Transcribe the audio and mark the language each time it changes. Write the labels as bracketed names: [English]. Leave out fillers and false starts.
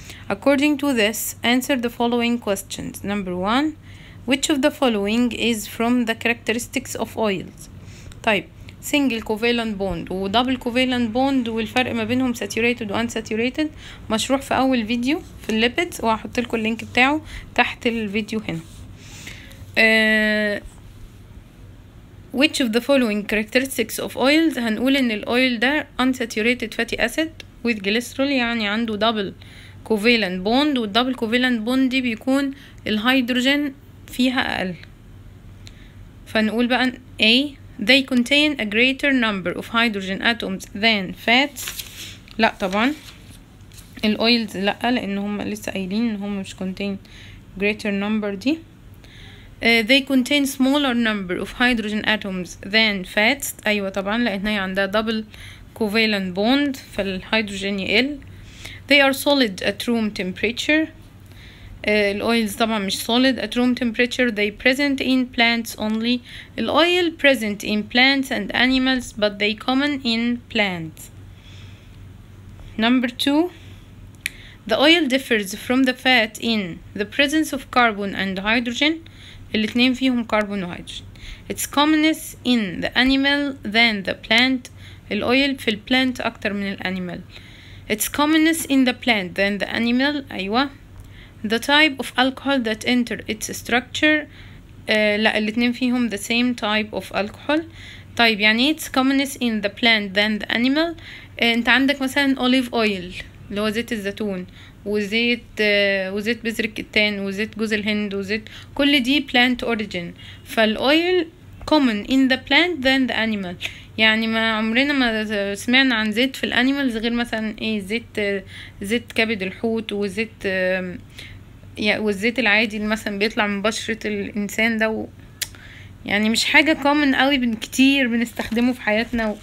[English] According to this, answer the following questions. Number one, which of the following is from the characteristics of oils? Type single covalent bond [Arabic] و [English] double covalent bond [Arabic] والفرق ما بينهم [English] saturated [Arabic] و [English] unsaturated [Arabic] مشروح في اول فيديو في الليبيدز، وهحط لكم اللينك بتاعه تحت الفيديو هنا. [English] Which of the following characteristics of oils؟ [Arabic] هنقول ان الاويل ده [English] unsaturated fatty acid with glycerol، [Arabic] يعني عنده [English] double covalent bond، والdouble covalent bond [Arabic] دي بيكون الهيدروجين فيها اقل. فنقول بقى [English] A، they contain a greater number of hydrogen atoms than fats. [Arabic] لا طبعا الاويلز لا، لان هم لسه قايلين ان هم مش [English] contain greater number [Arabic] دي. [English] They contain smaller number of hydrogen atoms than fats. [Arabic] ايوه طبعا، لان هي عندها [English] double covalent bond [Arabic] فالهيدروجين يقل. [English] They are solid at room temperature. [Arabic] الأويلز طبعا مش [English] solid at room temperature. They present in plants only. الأويل present in plants and animals but they common in plants. Number two, the oil differs from the fat in the presence of carbon and hydrogen. [Arabic] الاتنين فيهم carbon و hydrogen. [English] It's commonness in the animal than the plant. [Arabic] الأويل في plant أكتر من الأنيمال. [English] It's commonness in the plant than the animal. [Arabic] أيوة. [English] The type of alcohol that enter its structure. [Arabic] لا الاثنين فيهم [English] the same type of alcohol. [Arabic] طيب يعني [English] it's commonness in the plant than the animal. [Arabic] انت عندك مثلا olive oil اللي هو زيت الزيتون، وزيت بذر الكتان، وزيت جوز الهند، وزيت كل دي plant origin. [English] فالoil common in the plant than the animal. [Arabic] يعني ما عمرنا ما سمعنا عن زيت في الانيمال غير مثلا ايه زيت كبد الحوت، وزيت يعني والزيت العادي اللي مثلا بيطلع من بشرة الانسان ده، يعني مش حاجة كومن قوي كتير بنستخدمه في حياتنا.